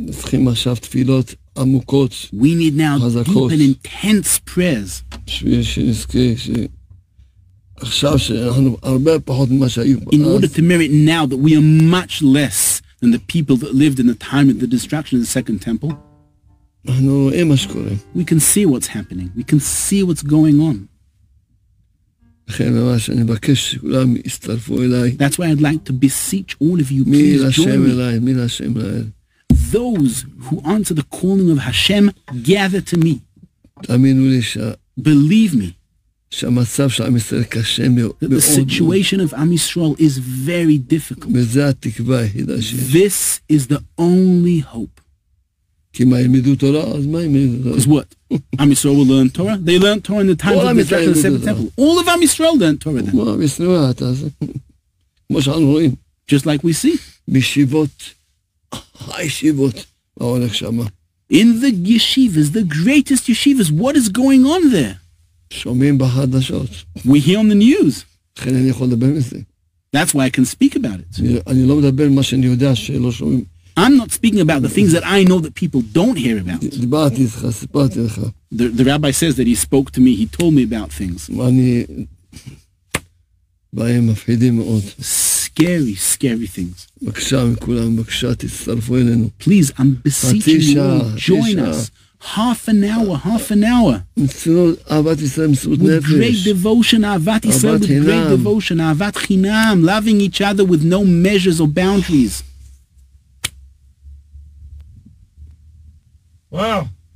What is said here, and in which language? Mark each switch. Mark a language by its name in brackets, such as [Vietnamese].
[Hebrew] צריכים עכשיו תפילות עמוקות, [English] we need now [Hebrew] חזקות, [English] deep and intense prayers. [Hebrew] בשביל שנזכה ש... עכשיו שאנחנו הרבה פחות ממה שהיו אז. [English] In order to merit now that we are much less than the people that lived in the time of the destruction of the second temple. [Hebrew] אנחנו רואים מה שקורה. [English] We can see what's happening. We can see what's going on. [Hebrew] לכן ממש אני מבקש שכולם יצטרפו אליי. [English] That's why I'd like to beseech all of you, please join me. [Hebrew] מי להשם אליי, מי להשם אליי. [English] Those who answer the calling of Hashem, gather to me. [Hebrew] תאמינו לי ש... [English] Believe me. [Hebrew] שהמצב של עם ישראל קשה מאוד. [English] That the situation of Am Yisrael is very difficult. [Hebrew] וזה התקווה היחידה שיש. [English] This is the only hope. [Hebrew] כי מה ילמדו תורה? אז מה ילמדו תורה? [English] Because what? Am Yisrael will learn Torah? They learned Torah in the time of the destruction of the seventh temple. All of Am Yisrael learned Torah then. [Hebrew] כמו עם ישראל אתה עושה. כמו שאנחנו רואים. [English] Just like we see. [Hebrew] בישיבות, הישיבות, מה הולך שם? [English] In the yeshivas, the greatest yeshivas, what is going on there? [Hebrew] שומעים בחדשות. [English] We hear on the news. [Hebrew] לכן אני יכול לדבר מזה. [English] That's why I can speak about it. [Hebrew] אני לא מדבר מה שאני יודע שלא שומעים. [English] I'm not speaking about the things that I know that people don't hear about. [Hebrew] דיברתי לך, סיפרתי לך. [English] The rabbi says that he spoke to me, he told me about things. [Hebrew] אני... בהם מפחידים מאוד. [English] Scary, scary things. [Hebrew] בבקשה מכולם, בבקשה תצטרפו אלינו. [English] Please, I'm beseeching you, join us. Half an hour. With great devotion, Avat Chinam, loving each other with no measures or boundaries. Wow.